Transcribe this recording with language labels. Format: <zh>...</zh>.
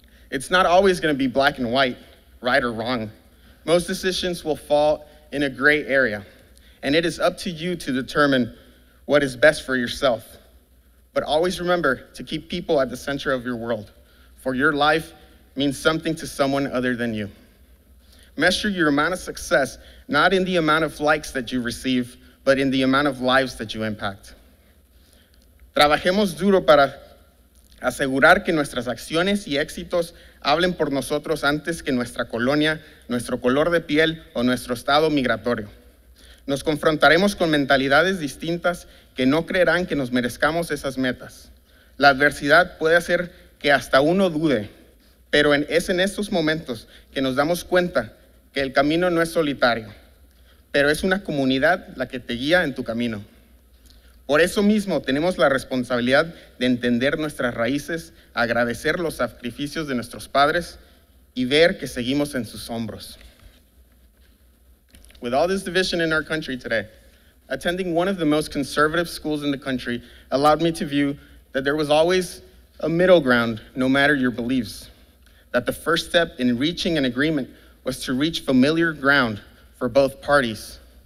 <en>It's not always gonna be black and white, right or wrong. Most decisions will fall in a gray area, and it is up to you to determine what is best for yourself. But always remember to keep people at the center of your world, for your life means something to someone other than you. Measure your amount of success, not in the amount of likes that you receive, but in the amount of lives that you impact.</en> <es>Trabajemos duro para asegurar que nuestras acciones y éxitos hablen por nosotros antes que nuestra colonia, nuestro color de piel o nuestro estado migratorio. Nos confrontaremos con mentalidades distintas que no creerán que nos merezcamos esas metas. La adversidad puede hacer que hasta uno dude, pero es en estos momentos que nos damos cuenta que el camino no es solitario, pero es una comunidad la que te guía en tu camino. Por eso mismo tenemos la responsabilidad de entender nuestras raíces, agradecer los sacrificios de nuestros padres y ver que seguimos en sus hombros.</es> <en>With all this division in our country today, attending one of the most conservative schools in the country allowed me to view that there was always a middle ground, no matter your beliefs, that the first step in reaching an agreement was to reach familiar ground for both parties.</en>